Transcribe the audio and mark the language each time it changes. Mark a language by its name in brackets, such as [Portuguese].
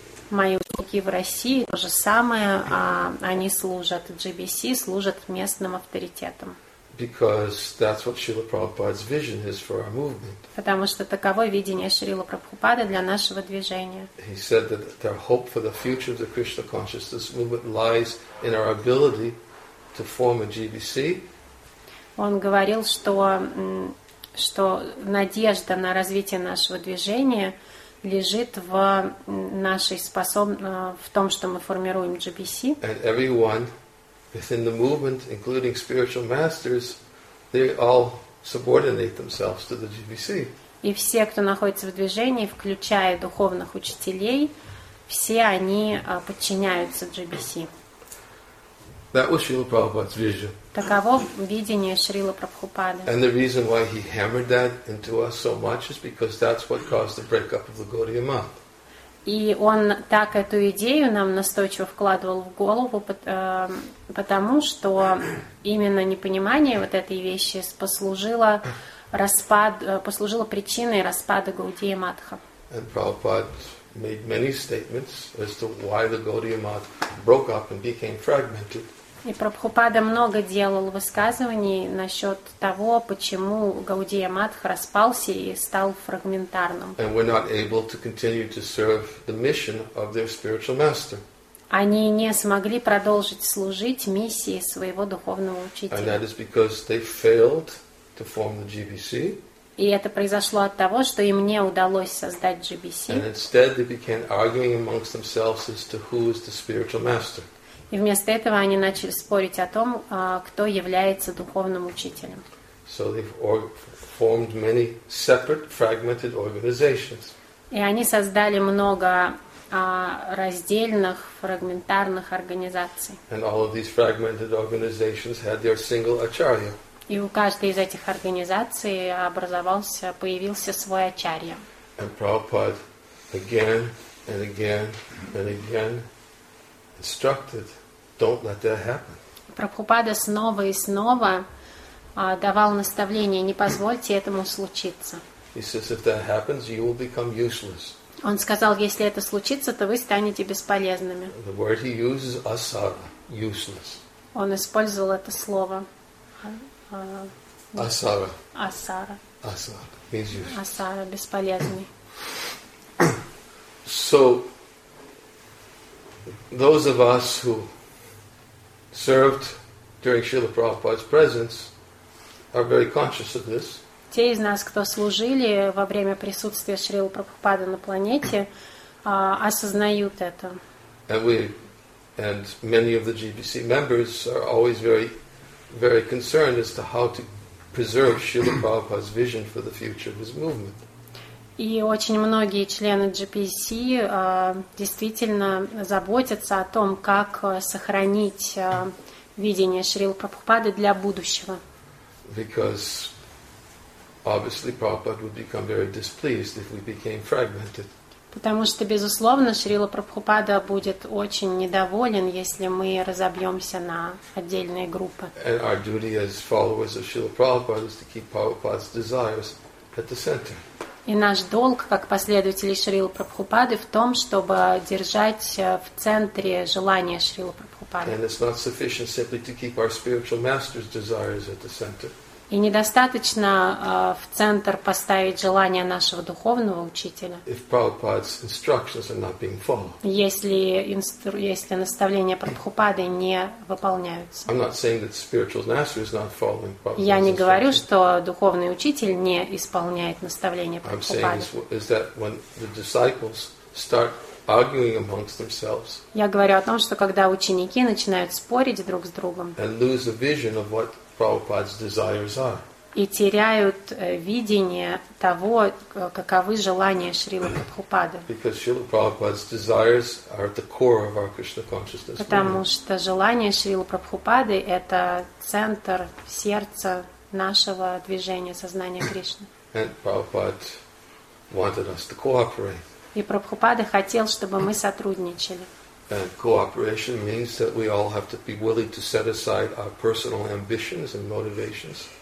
[Russian] Мои ученики в России то же самое. Они служат GBC, служат местным авторитетом. [English] Because that's what Srila Prabhupada's vision is for our movement. [Russian] Потому что таково видение Шрилы Прабхупады для нашего движения. [English] He said that the hope for the future of the Krishna consciousness movement lies in our ability to form a GBC. [Russian] Он говорил, что надежда на развитие нашего движения лежит в нашей способности, в том, что мы формируем GBC. [English] And everyone within the movement, including spiritual masters, they all subordinate themselves to the GBC. [Russian] И все, кто находится в движении, включая духовных учителей, все они подчиняются GBC. [English] That was Srila Prabhupada's vision. [Russian] Таково видение Шрилы Прабхупады. [English] And the reason why he hammered that into us so much is because that's what caused the breakup of the Gaudiya Math. [Russian] И он так эту идею нам настойчиво вкладывал в голову, потому что именно непонимание вот этой вещи послужило причиной распада Гаудии Матха. [English] And Prabhupada made many statements as to why the Gaudiya Math broke up and became fragmented. [Russian] И Прабхупада много делал высказываний насчет того, почему Гаудия Матх распался и стал фрагментарным. [English] And we're not able to continue to serve the mission of their spiritual master. [Russian] Они не смогли продолжить служить миссии своего духовного учителя. [English] And that is because they failed to form the GBC. [Russian] И это произошло от того, что им не удалось создать GBC. [English] And instead they began arguing amongst themselves as to who is the spiritual master. [Russian] И вместо этого они начали спорить о том, кто является духовным учителем. [English] So they've formed many separate fragmented organizations. [Russian] И они создали много раздельных, фрагментарных организаций. [English] And all of these fragmented organizations had their single acharya. [Russian] И у каждой из этих организаций появился свой ачарья. [English] And Prabhupada again and again and again instructed, don't let that happen. [Russian] Прабхупада снова и снова давал наставление, не позвольте этому случиться. [English] He says, if that happens, you will become useless. [Russian] Он сказал, если это случится, то вы станете бесполезными. [English] The word he uses, asara, useless. [Russian] Он использовал это слово. [English] Asara. [Russian] Asara. [English] Asara means useless. [Russian] Asara, бесполезный. [English] So, those of us who served during Srila Prabhupada's presence are very conscious of this. [Russian] Те из нас, кто служили во время присутствия Шрилы Прабхупады на планете, осознают это. [English] And we, and many of the GBC members are always very, very concerned as to how to preserve Srila Prabhupada's vision for the future of his movement. [Russian] И очень многие члены GPC действительно заботятся о том, как сохранить видение Шрилы Прабхупады для будущего. [English] Because obviously Prabhupada would become very displeased if we became fragmented. [Russian] Потому что, безусловно, Шрила Прабхупада будет очень недоволен, если мы разобьемся на отдельные группы. [English] And our duty as followers of Srila Prabhupada is to keep Prabhupada's desires at the center. [Russian] И наш долг, как последователей Шрилы Прабхупады, в том, чтобы держать в центре желания Шрилы Прабхупады. [English] And it's not sufficient simply to keep our spiritual master's desires at the center. [Russian] И недостаточно в центр поставить желания нашего духовного учителя. [English] If Prabhupada's instructions are not being followed. [Russian] Если наставления Прабхупады не выполняются. [English] I'm not saying that spiritual master is not following Prabhupada's instructions. [Russian] Я не говорю, что духовный учитель не исполняет наставления Прабхупады. [English] I'm saying is that when the disciples start arguing amongst themselves. [Russian] Я говорю о том, что когда ученики начинают спорить друг с другом. [English] And lose a vision of what Prabhupada's desires are. [Russian] И теряют видение того, каковы желания Шрилы Прабхупады. [English] Because Srila Prabhupada's desires are at the core of our Krishna consciousness. [Russian] Потому что желания Шрилы Прабхупады это центр сердца нашего движения сознания Кришны. [English] And Prabhupada wanted us to cooperate. [Russian] И Прабхупада хотел, чтобы мы сотрудничали. [English] And cooperation means that we all have to be willing to set aside our personal ambitions and motivations.